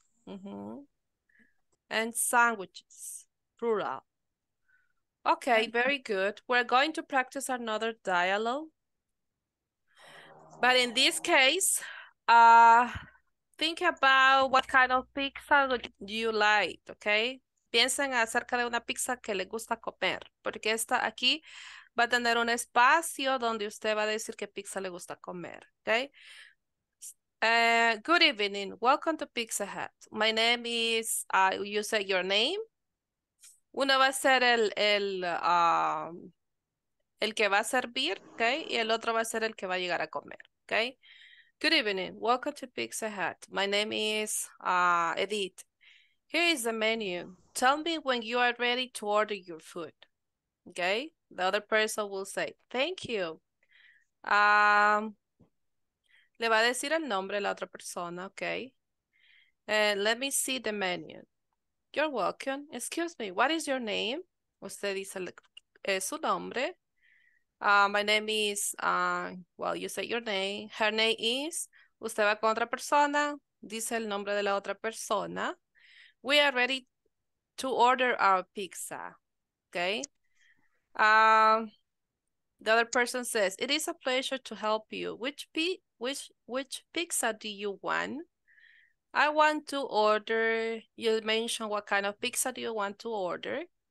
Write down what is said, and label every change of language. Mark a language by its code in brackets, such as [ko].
[en] Mm-hmm. And sandwiches, plural. Okay, very good. We're going to practice another dialogue. But in this case, think about what kind of pizza you like, okay? [es] Piensen acerca de una pizza que le gusta comer, porque esta aquí va a tener un espacio donde usted va a decir qué pizza le gusta comer, okay? [en] Good evening, welcome to Pizza Hut. My name is, you say your name. [es] Uno va a ser el que va a servir, okay? Y el otro va a ser el que va a llegar a comer, okay? [en] Good evening, welcome to Pizza Hut. My name is Edith. Here is the menu. Tell me when you are ready to order your food. Okay? The other person will say, thank you. [es] Le va a decir el nombre a la otra persona, okay? [en] And let me see the menu. You're welcome. Excuse me, what is your name? [es] Usted dice su nombre. [en] My name is, well, you say your name. Her name is, [es] usted va con otra persona, dice el nombre de la otra persona. [en] We are ready to order our pizza, okay? The other person says, it is a pleasure to help you. Which pizza do you want? I want to order, you mentioned what kind of pizza do you want to order?